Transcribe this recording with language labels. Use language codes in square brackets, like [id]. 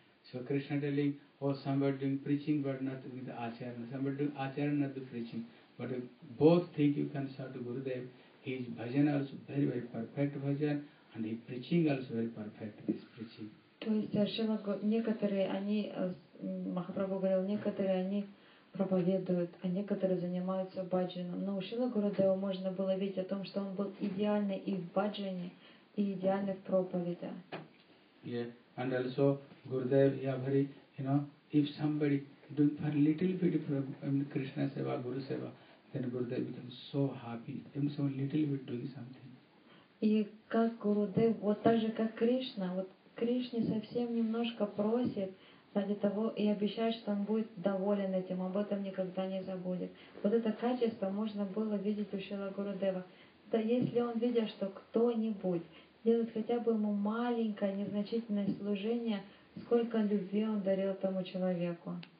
[en] So Krishna telling, oh, somebody doing preaching but not doing the acharana. Somebody doing acharana, not the preaching. But both think you can serve to Gurudev. His bhajan also very, very perfect bhajan. And his preaching also very perfect, this preaching. [ru] То есть, Шрила, некоторые они, Махапрабху говорил, некоторые они проповедуют, а некоторые занимаются бхаджаном. Но у Шрила Гурудева можно было видеть о том, что он был идеальный и в бхаджане, и идеальный в проповеди. [en] Yeah, and also Gurudev, Yavari, you know, if somebody doing for a little bit of Krishna Seva, Guru Seva, then Gurudev becomes so happy. Even so little bit doing something. [ru] И как Гурудев, вот так же как Кришна, вот Кришне совсем немножко просит ради того и обещает, что он будет доволен этим, об этом никогда не забудет. Вот это качество можно было видеть у Шрилы Гурудева. Да если он видит, что кто-нибудь делает хотя бы ему маленькое, незначительное служение, сколько любви он дарил тому человеку.